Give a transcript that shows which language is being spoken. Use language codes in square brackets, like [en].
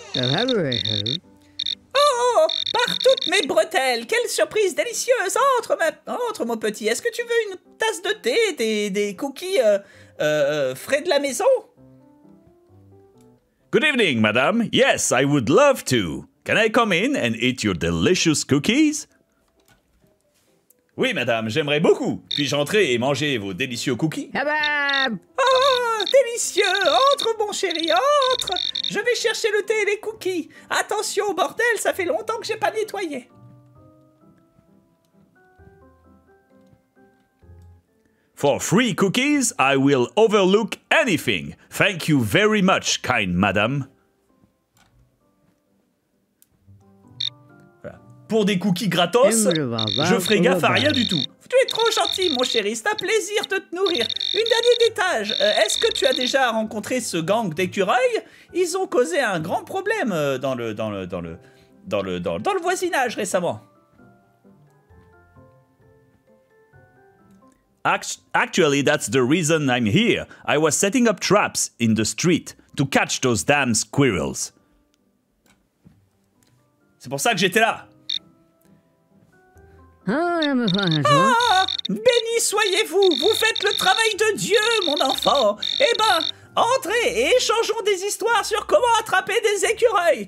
[fr] Oh, par toutes mes bretelles, quelle surprise délicieuse! Entre, mon petit. Est-ce que tu veux une tasse de thé, des cookies frais de la maison? [en] Good evening, madame. Yes, I would love to. Can I come in and eat your delicious cookies? [fr] Oui, madame, j'aimerais beaucoup. Puis-je entrer et manger vos délicieux cookies? Ah bah... Oh, délicieux! Entre, mon chéri, entre! Je vais chercher le thé et les cookies. Attention au bordel, ça fait longtemps que j'ai pas nettoyé. [en] For free cookies, I will overlook anything. Thank you very much, kind madame. [fr] Pour des cookies gratos, je ferai gaffe à rien du tout. Tu es trop gentil, mon chéri. C'est un plaisir de te nourrir. Une dernière étage. Est-ce que tu as déjà rencontré ce gang d'écureuils? Ils ont causé un grand problème dans le voisinage récemment. [en] Actually, that's the reason I'm here. I was setting up traps in the street to catch those damn squirrels. [fr] C'est pour ça que j'étais là. Ah, béni soyez-vous, vous faites le travail de Dieu, mon enfant. Eh ben, entrez et échangeons des histoires sur comment attraper des écureuils.